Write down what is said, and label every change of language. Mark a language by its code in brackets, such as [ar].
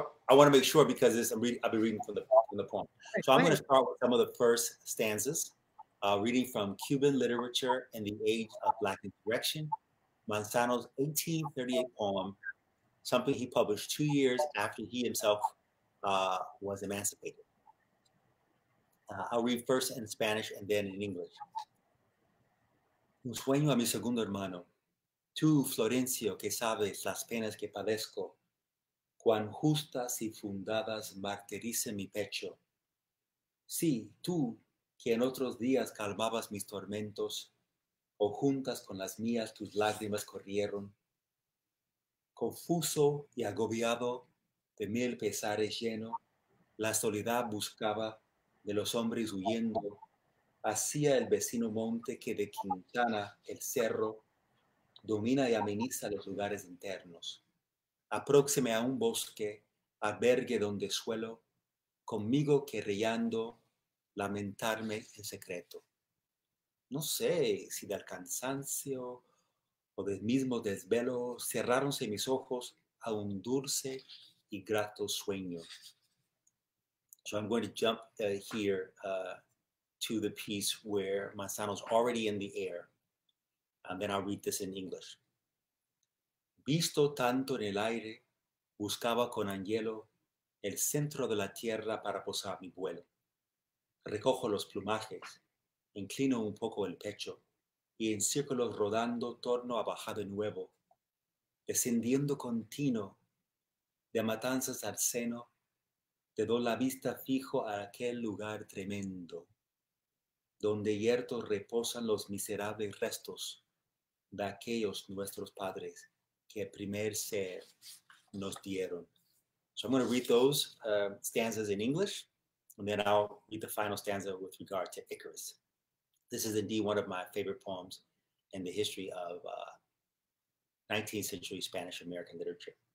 [en] I want to make sure because I've been reading from the poem. So I'm going to start with some of the first stanzas, reading from Cuban Literature in the Age of Black Insurrection, Manzano's 1838 poem, something he published 2 years after he himself was emancipated. I'll read first in Spanish and then in English. [es] Un sueño a mi segundo hermano. Tú, Florencio, que sabes las penas que padezco. Cuán justas y fundadas martirice mi pecho. Sí, tú, que en otros días calmabas mis tormentos, o juntas con las mías tus lágrimas corrieron. Confuso y agobiado, de mil pesares lleno, la soledad buscaba de los hombres huyendo, hacia el vecino monte que de Quintana, el cerro, domina y ameniza los lugares internos. Apróxime a un bosque, albergue donde suelo, conmigo querellando, lamentarme en secreto. No sé si del cansancio o del mismo desvelo cerráronse mis ojos a un dulce y grato sueño. [en] So I'm going to jump here to the piece where Manzano's already in the air, and then I'll read this in English. [es] Visto tanto en el aire, buscaba con anhelo el centro de la tierra para posar mi vuelo. Recojo los plumajes, inclino un poco el pecho, y en círculos rodando torno a bajar de nuevo, descendiendo continuo, de matanzas al seno, te doy la vista fijo a aquel lugar tremendo, donde yertos reposan los miserables restos de aquellos nuestros padres. Que primer ser nos dieron. [en] So I'm going to read those stanzas in English, and then I'll read the final stanza with regard to Icarus. This is indeed one of my favorite poems in the history of 19th century Spanish American literature.